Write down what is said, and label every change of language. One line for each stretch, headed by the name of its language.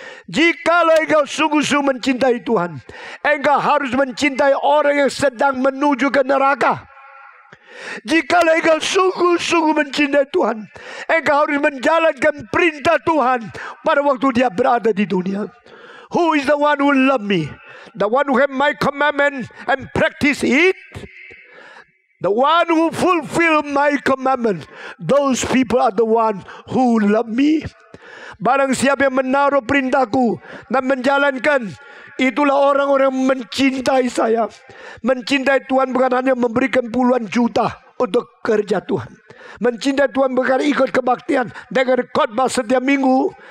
Indonesian: Jikalau engkau sungguh-sungguh mencintai Tuhan, engkau harus mencintai orang yang sedang menuju ke neraka. Jikalau engkau sungguh-sungguh mencintai Tuhan, engkau harus menjalankan perintah Tuhan pada waktu dia berada di dunia.
English: Who is the one who love me? The one who have my commandment and practice it? The one who fulfill my commandment, those people are the one who love me.
Indonesian: Barang siapa yang menaruh perintahku dan menjalankan, itulah orang-orang yang mencintai saya. Mencintai Tuhan bukan hanya memberikan puluhan juta untuk kerja Tuhan. Mencintai Tuhan bukan ikut kebaktian dengan khotbah setiap minggu.